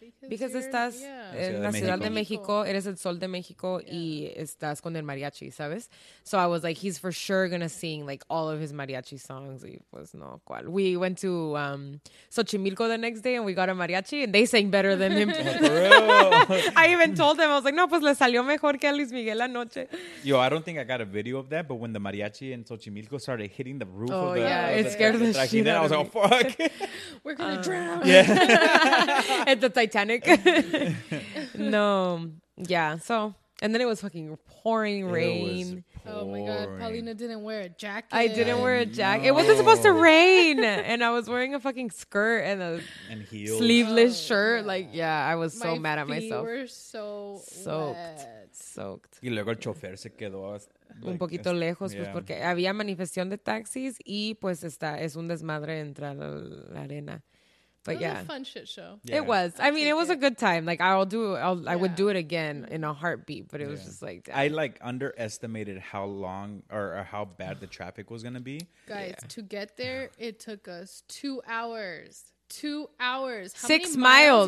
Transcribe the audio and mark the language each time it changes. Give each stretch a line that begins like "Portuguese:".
Spanish: Because estás en la Ciudad de México, eres el Sol de México, yeah. y estás con el mariachi, ¿sabes?
English: So I was like, he's for sure going to sing like all of his mariachi songs.
Spanish: Y pues no, cual.
English: We went to Xochimilco the next day and we got a mariachi and they sang better than him. I even told him, I was like,
Spanish: no, pues le salió mejor que a Luis Miguel anoche.
English: Yo, I don't think I got a video of that, but when the mariachi in Xochimilco started hitting the roof it scared the shit out of me. I was like, oh, fuck. We're going to drown. Yeah. At the Titanic. No. Yeah. So, and then it was fucking pouring rain. Oh my God. Paulina didn't wear a jacket. I didn't wear a jacket. It wasn't supposed to rain. And I was wearing a fucking skirt and a sleeveless shirt. Yeah. Like, yeah, I was so mad at myself. My feet were so soaked. Wet. Soaked.
Spanish: Y luego el chofer se quedó un poquito lejos, pues porque había manifestación de taxis y pues está, es un desmadre entrar a la arena.
English: But it was a fun shit show. Yeah. It was. I mean, it was a good time. Like, I would do it again in a heartbeat, but it was just like damn. I like underestimated how long or how bad the traffic was going to be. Guys, to get there, it took us 2 hours. 2 hours. How 6 miles.